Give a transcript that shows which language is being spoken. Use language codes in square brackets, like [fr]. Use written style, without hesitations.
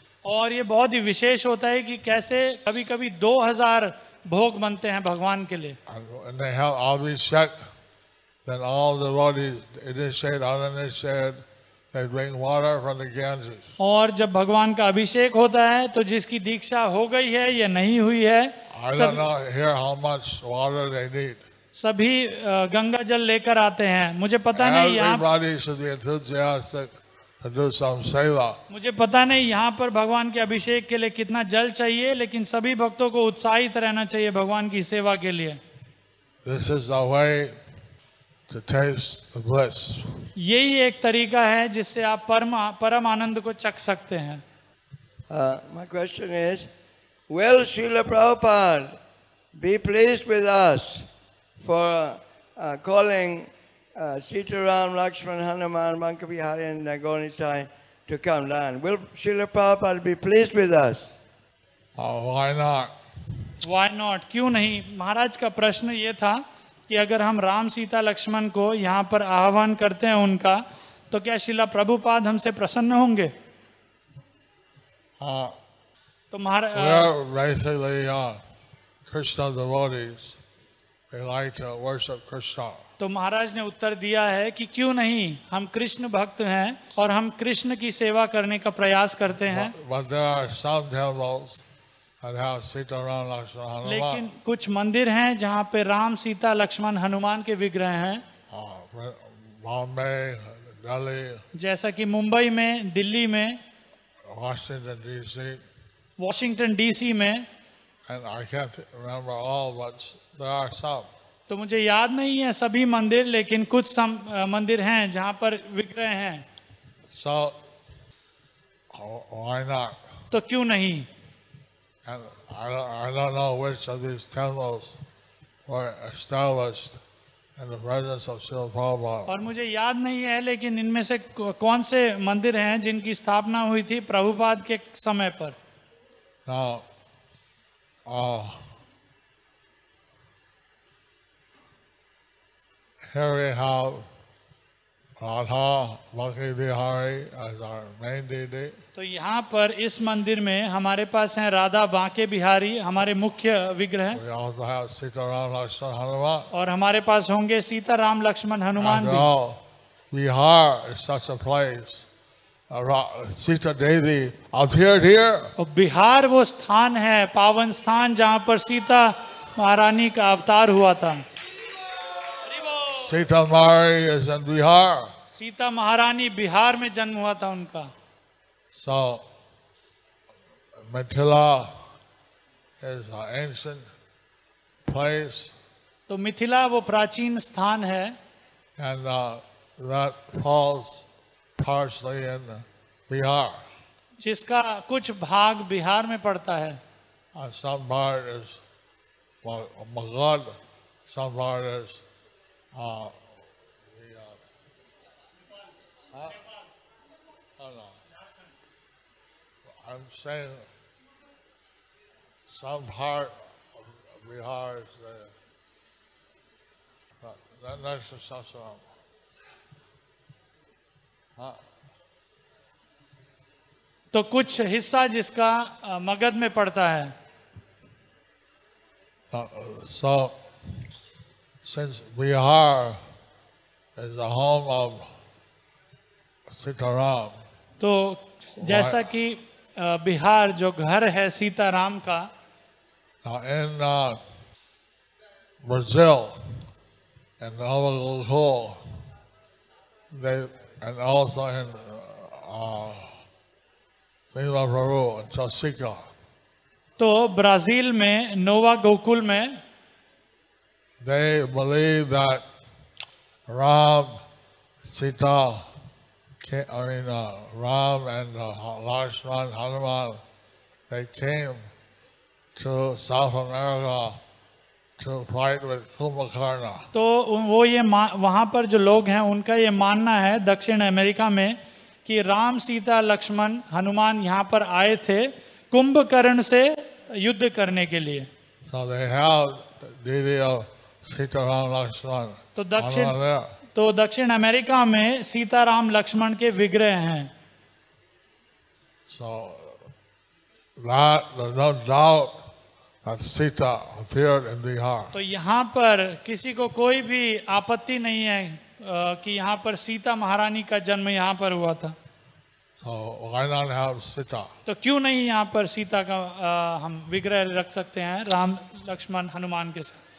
[hi] और ये बहुत ही विशेष होता है कि कैसे कभी कभी 2,000 भोग बनते हैं भगवान के लिए। [en] And they have abhishek, then all the devotees, initiated, uninitiated, they bring water from the Ganges. [hi] और जब भगवान का अभिषेक होता है तो जिसकी दीक्षा हो गई है या नहीं हुई है, सभी गंगा जल लेकर आते हैं। मुझे पता नहीं यहाँ पर भगवान के अभिषेक के लिए कितना जल चाहिए, लेकिन सभी भक्तों को उत्साहित रहना चाहिए भगवान की सेवा के लिए। [en] This is the way to taste the bliss. [hi] यही एक तरीका है जिससे आप परम आनंद को चख सकते हैं। [en] My question is, will Srila Prabhupada be pleased with us for calling Sitaram, Lakshman, Hanuman, Mankavihari and Nagonitai to come down? Will Srila Prabhupada be pleased with us? Why not? [hi] क्यों नहीं? महाराज का प्रश्न ये था कि अगर हम राम सीता लक्ष्मण को यहाँ पर आह्वान करते हैं उनका, तो क्या शिला प्रभुपाद हमसे प्रसन्न होंगे? हाँ, तो महाराज, [en] we are basically Krishna devotees. We like to worship Krishna. [hi] तो तो महाराज ने उत्तर दिया है कि क्यों नहीं, हम कृष्ण भक्त हैं और हम कृष्ण की सेवा करने का प्रयास करते हैं। लेकिन कुछ मंदिर हैं जहां पे राम सीता लक्ष्मण हनुमान के विग्रह हैं, बॉम्बे दिल्ली, जैसा कि मुंबई में, दिल्ली में, वॉशिंगटन डीसी में [en] And I can't remember all, but there are some. [hi] तो मुझे याद नहीं है सभी मंदिर, लेकिन कुछ मंदिर हैं जहां पर विग्रह हैं। [en] So, why not? [hi] तो क्यों नहीं? [en] And I don't know which of these temples were established in the presence of Srila Prabhupada. [hi] और मुझे याद नहीं है, लेकिन इनमें से कौन से मंदिर हैं जिनकी स्थापना हुई थी प्रभुपाद के समय पर? [en] Now, here we have Radha Bhakti Bihari as our main deity. [hi] तो यहाँ पर इस मंदिर में हमारे पास हैं राधा बांके बिहारी, हमारे मुख्य विग्रह। [en] We also have Sita Ram Lakshman Hanuman. [hi] और हमारे पास होंगे सीता राम लक्ष्मण हनुमान भी। [en] After all, Bihar is such a place. Sita Devi appeared here. [hi] Bihar वो स्थान है, पावन स्थान, जहाँ पर सीता महारानी का अवतार हुआ था। [en] Sita Mari is in Bihar. [hi] Sita महारानी बिहार में जन्म हुआ था उनका। [en] So, Mithila is an ancient place. [hi] तो मिथिला वो प्राचीन स्थान है। [en] And that falls partially in Bihar. [hi] जिसका कुछ भाग बिहार में पड़ता है। [en] Some part is Magad, some part is I'm saying some part of Bihar is there, but that's the Sasaram. [hi] तो कुछ हिस्सा जिसका मगध में पड़ता है। [en] So, since Bihar is the home of Sitaram, [hi] तो जैसा कि बिहार जो घर है सीताराम का, [en] in Brazil and Nova Gaul, and also in Lima Peru and Chosica. [hi] तो ब्राजील में नोवा गोकुल में, [en] they believe that Ram, Sita, Ram and Lakshman, Hanuman, they came to South America to fight with Kumbhakarna. [hi] तो वो ये वहाँ पर जो लोग हैं उनका ये मानना है दक्षिण अमेरिका में कि राम सीता लक्ष्मण हनुमान यहाँ पर आए थे कुंभकर्ण से युद्ध करने के लिए। [en] So they have deity of Sita Ram Lakshman. [hi] तो दक्षिण अमेरिका में सीता राम लक्ष्मण के विग्रह हैं। [en] So that there's no doubt that Sita appeared in Bihar. [hi] तो यहाँ पर किसी को कोई भी आपत्ति नहीं है कि यहाँ पर सीता महारानी का जन्म यहाँ पर हुआ था। [en] So why not have Sita? [hi] तो क्यों नहीं यहाँ पर सीता का हम विग्रह रख सकते हैं राम लक्ष्मण हनुमान के साथ।